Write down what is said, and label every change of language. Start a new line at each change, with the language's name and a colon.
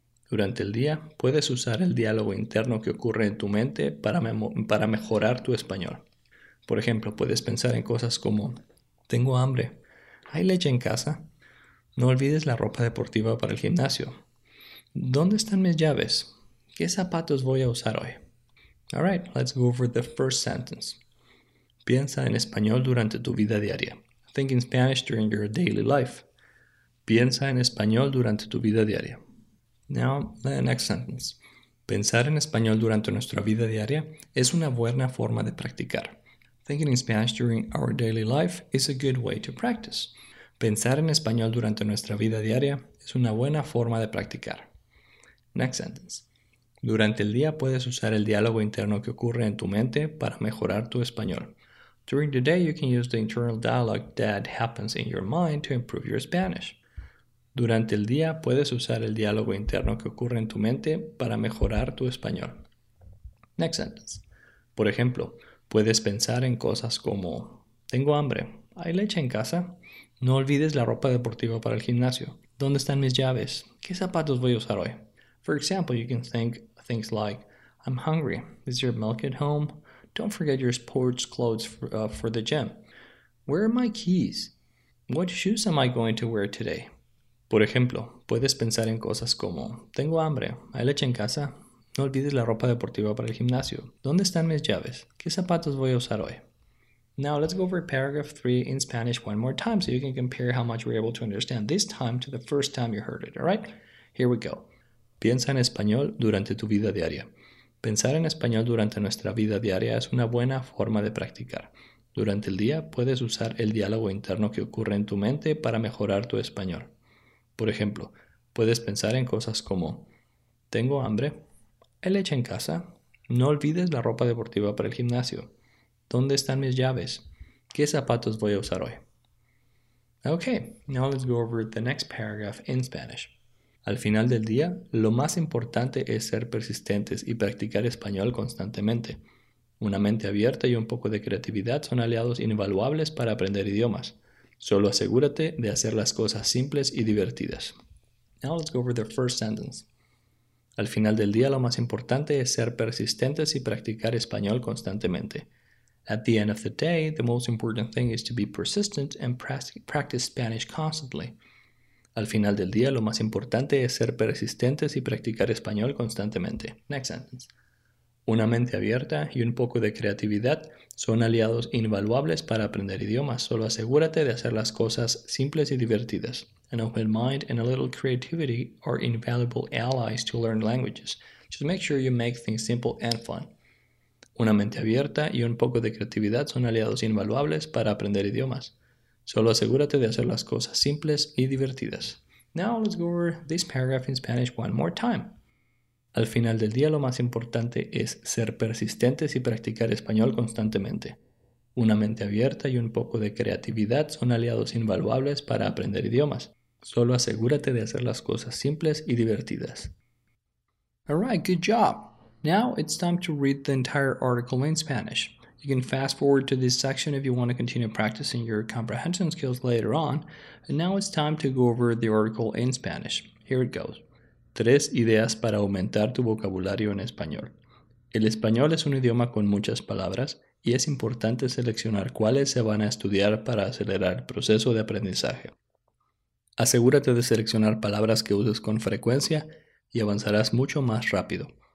Spanish: Durante el día, puedes usar el diálogo interno que ocurre en tu mente para mejorar tu español. Por ejemplo, puedes pensar en cosas como, tengo hambre, ¿hay leche en casa? No olvides la ropa deportiva para el gimnasio. ¿Dónde están mis llaves? ¿Qué zapatos voy a usar hoy?
English: All right, let's go over the first sentence.
Spanish: Piensa en español durante tu vida diaria.
English: Think in Spanish during your daily life.
Spanish: Piensa en español durante tu vida diaria.
English: Now, the next sentence.
Spanish: Pensar en español durante nuestra vida diaria es una buena forma de practicar.
English: Thinking in Spanish during our daily life is a good way to practice.
Spanish: Pensar en español durante nuestra vida diaria es una buena forma de practicar.
English: Next sentence.
Spanish: Durante el día puedes usar el diálogo interno que ocurre en tu mente para mejorar tu español.
English: During the day, you can use the internal dialogue that happens in your mind to improve your Spanish.
Spanish: Durante el día puedes usar el diálogo interno que ocurre en tu mente para mejorar tu español.
English: Next sentence.
Spanish: Por ejemplo, puedes pensar en cosas como, tengo hambre, ¿hay leche en casa? No olvides la ropa deportiva para el gimnasio. ¿Dónde están mis llaves? ¿Qué zapatos voy a usar hoy?
English: For example, you can think things like, I'm hungry, is your milk at home? Don't forget your sports clothes for the gym. Where are my keys? What shoes am I going to wear today?
Spanish: Por ejemplo, puedes pensar en cosas como, tengo hambre, ¿hay leche en casa? No olvides la ropa deportiva para el gimnasio. ¿Dónde están mis llaves? ¿Qué zapatos voy a usar hoy?
English: Now let's go over paragraph 3 in Spanish one more time so you can compare how much we're able to understand this time to the first time you heard it, all right? Here we go.
Spanish: Piensa en español durante tu vida diaria. Pensar en español durante nuestra vida diaria es una buena forma de practicar. Durante el día puedes usar el diálogo interno que ocurre en tu mente para mejorar tu español. Por ejemplo, puedes pensar en cosas como, tengo hambre, ¿hay leche en casa? No olvides la ropa deportiva para el gimnasio. ¿Dónde están mis llaves? ¿Qué zapatos voy a usar hoy?
English: Okay, now let's go over the next paragraph in Spanish.
Spanish: Al final del día, lo más importante es ser persistentes y practicar español constantemente. Una mente abierta y un poco de creatividad son aliados invaluables para aprender idiomas. Solo asegúrate de hacer las cosas simples y divertidas.
English: Now let's go over the first sentence.
Spanish: Al final del día, lo más importante es ser persistentes y practicar español constantemente.
English: At the end of the day, the most important thing is to be persistent and practice Spanish constantly.
Spanish: Al final del día, lo más importante es ser persistentes y practicar español constantemente.
English: Next sentence.
Spanish: Una mente abierta y un poco de creatividad son aliados invaluables para aprender idiomas. Solo asegúrate de hacer las cosas simples y divertidas.
English: An open mind and a little creativity are invaluable allies to learn languages. Just make sure you make things simple and fun.
Spanish: Una mente abierta y un poco de creatividad son aliados invaluables para aprender idiomas. Solo asegúrate de hacer las cosas simples y divertidas.
English: Now let's go over this paragraph in Spanish one more time.
Spanish: Al final del día, lo más importante es ser persistentes y practicar español constantemente. Una mente abierta y un poco de creatividad son aliados invaluables para aprender idiomas. Solo asegúrate de hacer las cosas simples y divertidas.
English: All right, good job. Now it's time to read the entire article in Spanish. You can fast forward to this section if you want to continue practicing your comprehension skills later on. And now it's time to go over the article in Spanish. Here it goes.
Spanish: Tres ideas para aumentar tu vocabulario en español. El español es un idioma con muchas palabras y es importante seleccionar cuáles se van a estudiar para acelerar el proceso de aprendizaje. Asegúrate de seleccionar palabras que uses con frecuencia y avanzarás mucho más rápido.